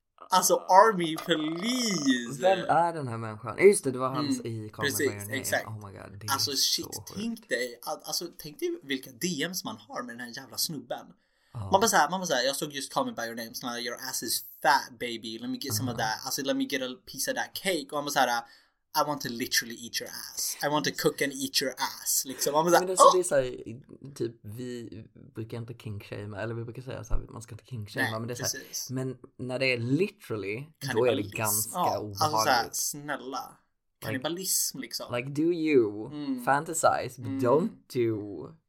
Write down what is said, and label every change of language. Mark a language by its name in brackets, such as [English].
[Swedish] Alltså, Army, please! Vem är den här människan? Just det, det var hans i kameran. [English] Oh my god, [Swedish] det alltså, är shit, så tänk hurt. Dig. Alltså, tänk dig vilka DMs man har med den här jävla snubben. Oh. Man bara såhär, jag såg just Call Me By Your Name. [English] Såhär, your ass is fat, baby. Let me get some of that. Alltså, let me get a piece of that cake. [Swedish] Och man bara såhär, [English] I want to literally eat your ass. I want to cook and eat your ass. [Swedish] Liksom. Man bara såhär, men alltså, det är såhär, typ, vi brukar inte kinkshama, eller vi brukar säga såhär, man ska inte kinkshama, men det är såhär, men när det är literally, då är det ganska obehagligt. Alltså såhär, snälla. Kannibalism, [English] like, [Swedish] liksom. [English] Like, do you fantasize, but don't do...